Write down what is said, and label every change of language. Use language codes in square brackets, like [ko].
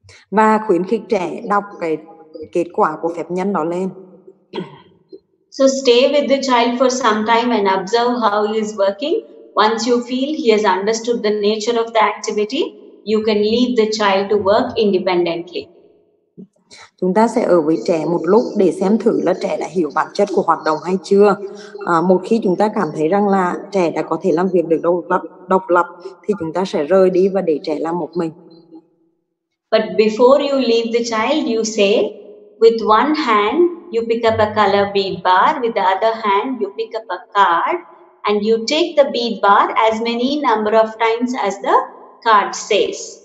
[vi] Và khuyến khích trẻ đọc cái kết quả của phép nhân đó lên. [en] So stay with the child for some time and observe how he is working. Once you feel he has understood the nature of the activity, you can leave the child to work independently. [vi] Chúng ta sẽ ở với trẻ một lúc để xem thử là trẻ đã hiểu bản chất của hoạt động hay chưa. Một khi chúng ta cảm thấy rằng là trẻ đã có thể làm việc được độc lập thì chúng ta sẽ rời đi và để trẻ làm một mình. [en] But before you leave the child, you say, with one hand you pick up a color bead bar, with the other hand you pick up a card, and you take the bead bar as many number of times as the card says.